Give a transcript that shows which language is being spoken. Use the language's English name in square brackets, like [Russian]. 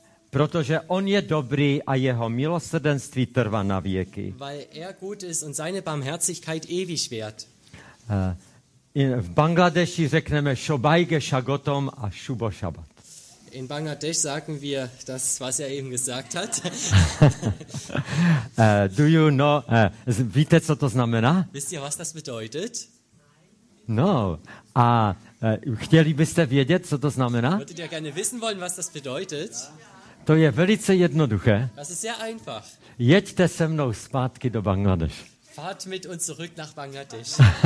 [Czech] Protože on je dobrý a jeho milosrdenství trvá na věky. [German] Weil er gut ist und seine Barmherzigkeit ewig währt. [Czech] V Bangladeši řekneme Shobaige Shagotom a Shubo Shabbat. [German] In Bangladesh sagen wir das, was er eben gesagt hat. [English] Do you know, [Czech] víte, co to znamená? [German] Wisst ihr, was das bedeutet? No. [Czech] A chtěli byste vědět, co to znamená? [German] Würdet ihr gerne wissen wollen, was das bedeutet? [Czech] To je velice jednoduché. [German] Das ist sehr einfach. [Czech] Jeďte se mnou zpátky do Bangladesh. [German] Fahrt mit uns zurück nach Bangladesch.